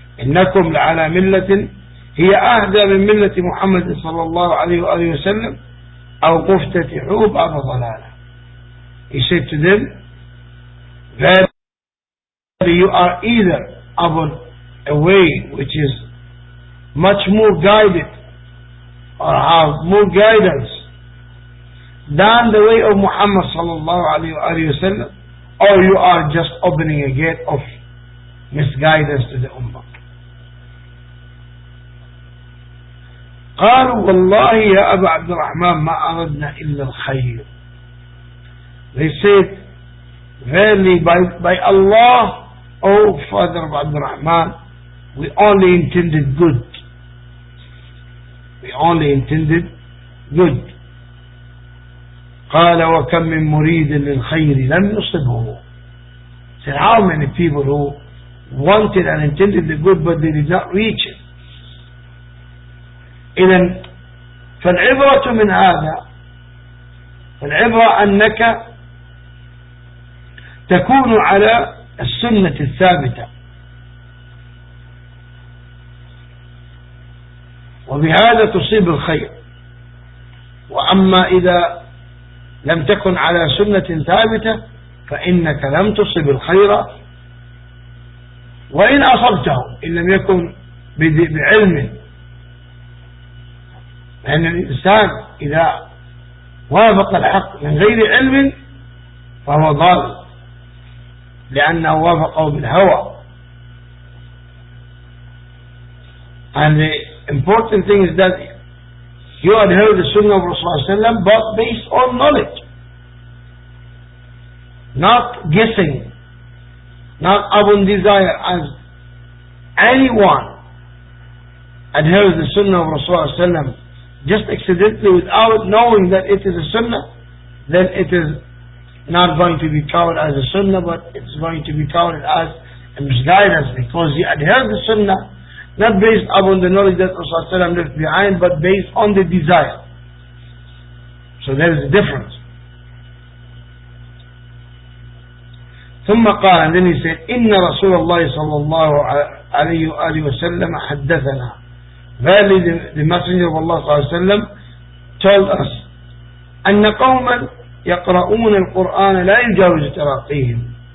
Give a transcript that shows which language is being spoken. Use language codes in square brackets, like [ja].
[ar] إنكم لعلى ملة هي أهدى من ملة محمد صلى الله عليه وآله وسلم أو مفتتعوا باب ضلالة. [en] He said to them, you are either upon a way which is much more guided or have more guidance than the way of Muhammad sallallahu alayhi wa sallam, or you are just opening a gate of misguidance to the ummah. [ar] قالوا والله يا أبا عبد الرحمن ما أردنا إلا الخير. [en] They said, verily by Allah, O Father of Abdul Rahman, we only intended good. We only intended good. [ar] قال وكم من مريد للخير لم يصبه. [en] Said, how many people who wanted and intended the good but they did not reach it. [ar] إذن فالعبرة من هذا, فالعبرة أنك تكون على السنة الثابتة, وبهذا تصيب الخير. وأما إذا لم تكن على سنة ثابتة فإنك لم تصيب الخير, وإن أصبته إن لم يكن بعلم. لأن الإنسان إذا وافق الحق من غير علم فهو ضال, لأنه وافقه بالهوى. [en] And the important thing is that You had heard the Sunnah of Rasulullah sallam, but based on knowledge, not guessing, not upon desire, as anyone adheres the Sunnah of Rasulullah sallam just accidentally without knowing that it is a Sunnah, then it is not going to be counted as a Sunnah, but it's going to be counted as a misguidance, because you adhere the Sunnah not based upon the knowledge that Rasulullah sallam left behind, but based on the desire. So there is a difference. [ar] ثم قال, [en] and then he said, [ar] إن رسول الله صلى الله عليه وآله وسلم حدثنا. [en] Verily the Messenger of Allah [ar] صلى الله عليه وسلم [en] told us [ar] أن قوما يقرؤون القرآن لا يجاوز تراقيهم.